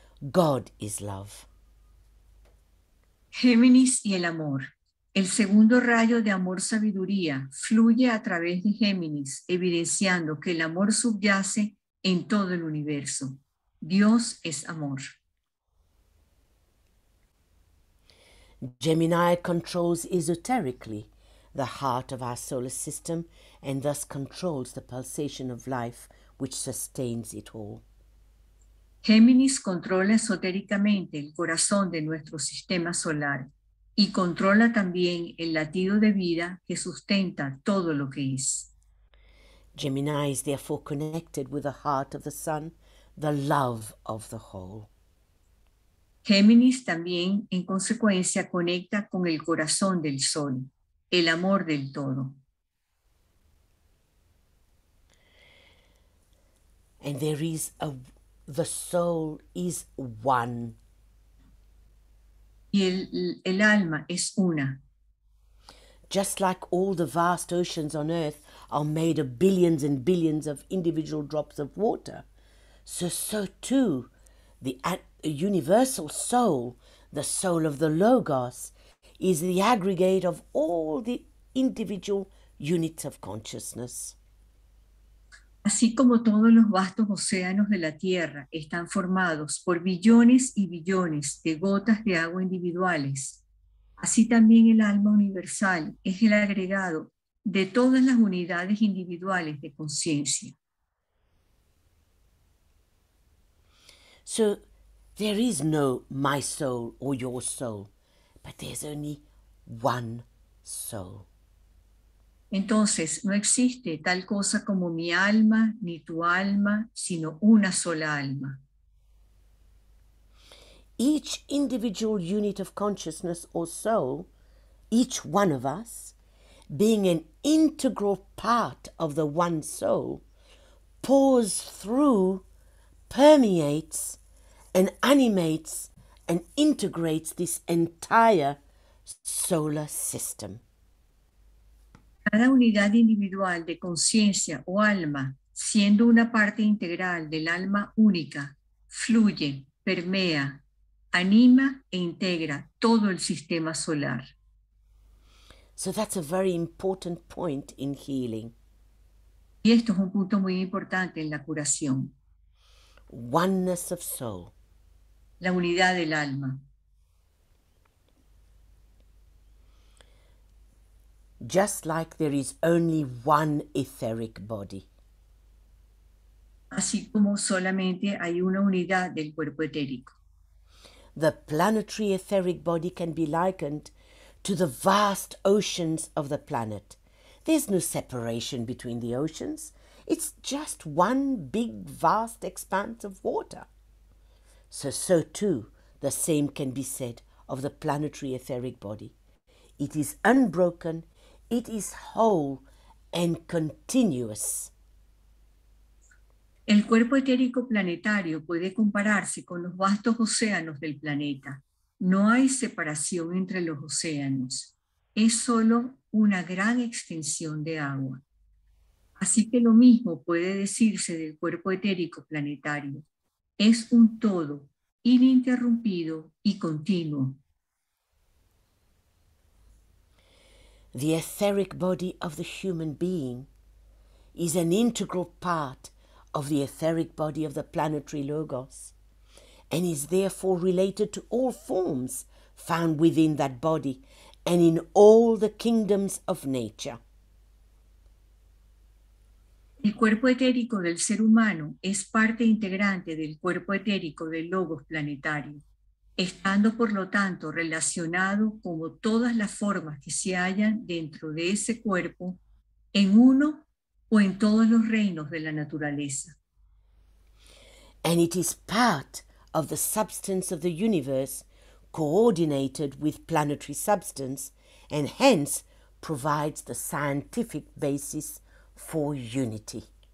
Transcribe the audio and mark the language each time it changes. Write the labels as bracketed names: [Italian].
[English] God is love. [Spanish] Géminis y el amor. El segundo rayo de amor sabiduría fluye a través de Géminis, evidenciando que el amor subyace en todo el universo. Dios es amor. [English] Gemini controls esoterically the heart of our solar system and thus controls the pulsation of life which sustains it all. [Spanish] Géminis controla esotéricamente el corazón de nuestro sistema solar y controla también el latido de vida que sustenta todo lo que es. [English] Gemini is therefore connected with the heart of the sun, the love of the whole. [Spanish] Géminis también, en consecuencia, conecta con el corazón del sol, el amor del todo. [English] And there is the soul is one. [Spanish] Y el alma es una. [English] Just like all the vast oceans on earth are made of billions and billions of individual drops of water, so too the A universal soul, the soul of the Logos, is the aggregate of all the individual units of consciousness. [Spanish] Así como todos los vastos océanos de la Tierra están formados por billones y billones de gotas de agua individuales, así también el alma universal es el agregado de todas las unidades individuales de conciencia. [English] So there is no my soul or your soul, but there's only one soul. [Spanish] Entonces, no existe tal cosa como mi alma ni tu alma, sino una sola alma. [English] Each individual unit of consciousness or soul, each one of us, being an integral part of the one soul, pours through, permeates, and animates and integrates this entire solar system. [Spanish] Cada unidad individual de conciencia o alma, siendo una parte integral del alma única, fluye, permea, anima e integra todo el sistema solar. [English] So that's a very important point in healing. [Spanish] Y esto es un punto muy importante en la curación. [English] Oneness of soul. [Spanish] La unidad del alma. [English] Just like there is only one etheric body. [Spanish] Así como solamente hay una unidad del cuerpo etérico. [English] The planetary etheric body can be likened to the vast oceans of the planet. There's no separation between the oceans. It's just one big vast expanse of water. So too, the same can be said of the planetary etheric body. It is unbroken, it is whole and continuous. [Spanish] El cuerpo etérico planetario puede compararse con los vastos océanos del planeta. No hay separación entre los océanos. Es solo una gran extensión de agua. Así que lo mismo puede decirse del cuerpo etérico planetario. Es un todo ininterrumpido y continuo. [English] The etheric body of the human being is an integral part of the etheric body of the planetary logos and is therefore related to all forms found within that body and in all the kingdoms of nature. [Spanish] El cuerpo etérico del ser humano es parte integrante del cuerpo etérico del logos planetario, estando por lo tanto relacionado como todas las formas que se hallan dentro de ese cuerpo en uno o en todos los reinos de la naturaleza. [English] And it is part of the substance of the universe, coordinated with planetary substance, and hence provides the scientific basis for unity.